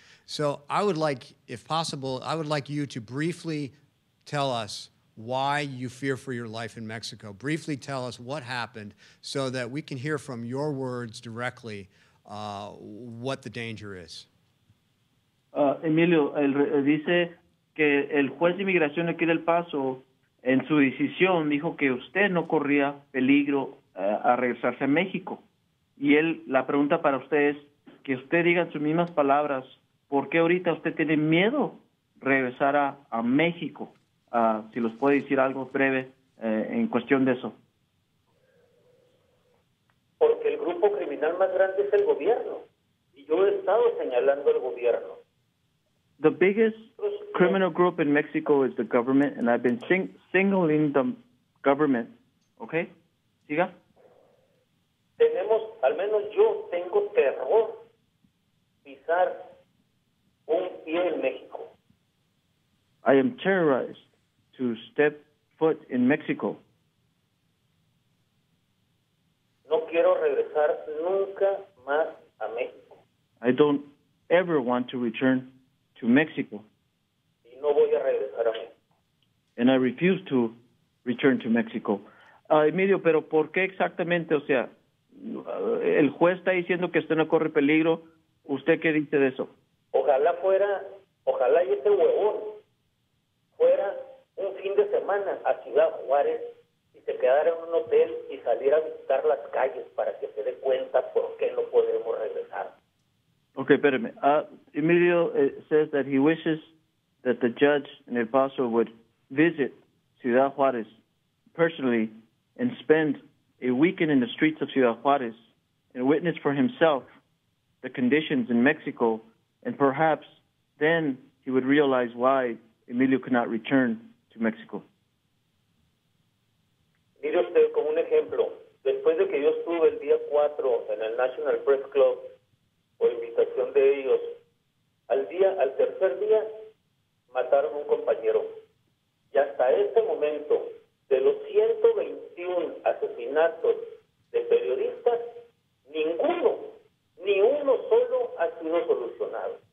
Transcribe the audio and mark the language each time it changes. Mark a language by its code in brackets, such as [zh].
[en] So I would like, if possible, I would like you to briefly tell us why you fear for your life in Mexico. Briefly tell us what happened so that we can hear from your words directly what the danger is. [es] Emilio, dice que el juez de inmigración aquí del Paso, en su decisión, dijo que usted no corría peligro a regresarse a México. Y él, la pregunta para usted es que usted diga en sus mismas palabras, ¿por qué ahorita usted tiene miedo regresar a México? Si los puede decir algo breve en cuestión de eso. Porque el grupo criminal más grande es el gobierno. Y yo he estado señalando al gobierno. [en] The biggest criminal group in Mexico is the government, and I've been singling the government. [es] Okay? Siga. Tenemos, al menos yo tengo terror pisar un pie en México. [en] I am terrorized to step foot in Mexico. [es] No quiero regresar nunca más a México. [en] I don't ever want to return to Mexico. [es] Y no voy a regresar a México. [en] And I refuse to return to Mexico. [es] Emilio, pero ¿por qué exactamente? O sea, el juez está diciendo que usted no corre peligro. ¿Usted qué dice de eso? Ojalá y este huevón fuera un fin de semana a Ciudad Juárez y se quedara en un hotel y saliera a visitar las calles para que se dé cuenta por qué no podemos regresar. Okay, espérame. [en] Emilio says that he wishes that the judge in El Paso would visit Ciudad Juárez personally and spend a weekend in the streets of Ciudad Juárez and witness for himself the conditions in Mexico, and perhaps then he would realize why Emilio could not return to Mexico. [es] Mire usted como un ejemplo. Después de que yo estuve el día 4 en el National Press Club, por invitación de ellos, al tercer día, mataron un compañero. Y hasta este momento, de los 121 asesinatos de periodistas, ninguno, ni uno solo ha sido solucionado.